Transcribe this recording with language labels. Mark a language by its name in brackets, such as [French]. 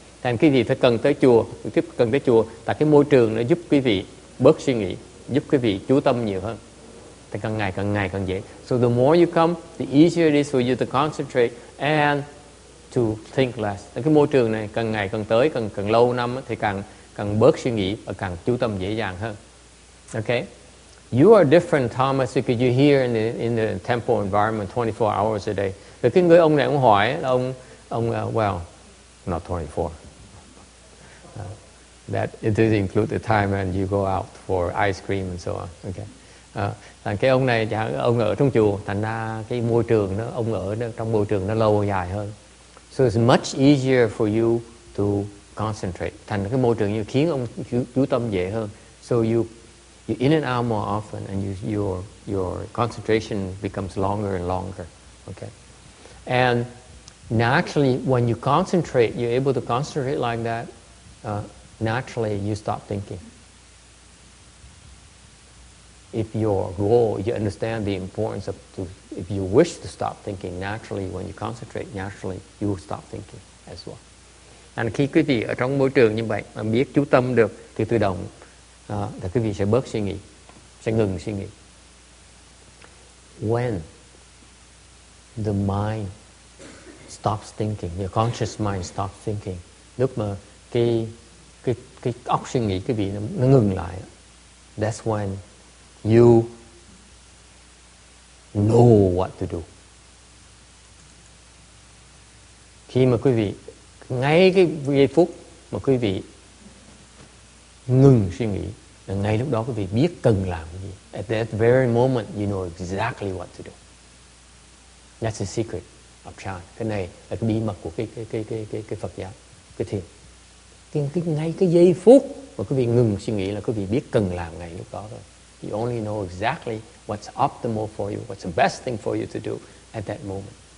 [Vietnamese] Thành cái gì phải cần tới chùa, tại cái môi trường nó giúp quý vị bớt suy nghĩ, giúp quý vị chú tâm nhiều hơn. Thì càng ngày càng dễ. [English] So the more you come, the easier it is for you to concentrate and to think less. [Vietnamese] Thì cái môi trường này càng ngày càng tới, càng lâu năm thì càng bớt suy nghĩ và càng chú tâm dễ dàng hơn. [English] Okay? You are different, Thomas, because you're here in the temple environment 24 hours a day. [Vietnamese] Thì cái người ông này ông hỏi là ông, [English] not 24. That it does include the time when you go out for ice cream and so on. Okay? [Vietnamese] Thành cái ông này chẳng ông ở trong chùa, thành ra cái môi trường nó ông ở trong môi trường nó lâu dài hơn. [English] So it's much easier for you to concentrate. [Vietnamese] Thành cái môi trường như khiến ông chú tâm dễ hơn. [English] So you in and out more often and your concentration becomes longer and longer. Okay. And naturally when you concentrate, you're able to concentrate like that, naturally you stop thinking. If your goal, you understand the importance if you wish to stop thinking naturally, when you concentrate naturally, you will stop thinking as well. [Vietnamese] And khi quý vị ở trong môi trường như vậy, mà biết chú tâm được, thì tự động, thì quý vị sẽ bớt suy nghĩ, sẽ ngừng suy nghĩ. [English] When the mind stops thinking, your conscious mind stops thinking, [Vietnamese] lúc mà cái óc suy nghĩ quý vị nó ngừng lại, [English] that's when you know what to do. [Vietnamese] Khi mà quý vị ngay cái giây phút mà quý vị ngừng suy nghĩ, ngay lúc đó quý vị biết cần làm gì. [English] At that very moment, you know exactly what to do. That's the secret of chan. [Vietnamese] Cái này là cái bí mật của cái Phật giáo, cái thiền. Cái ngay cái giây phút mà quý vị ngừng suy nghĩ là quý vị biết cần làm ngay lúc đó thôi. [English] You only know exactly what's optimal for you, what's the best thing for you to do at that moment.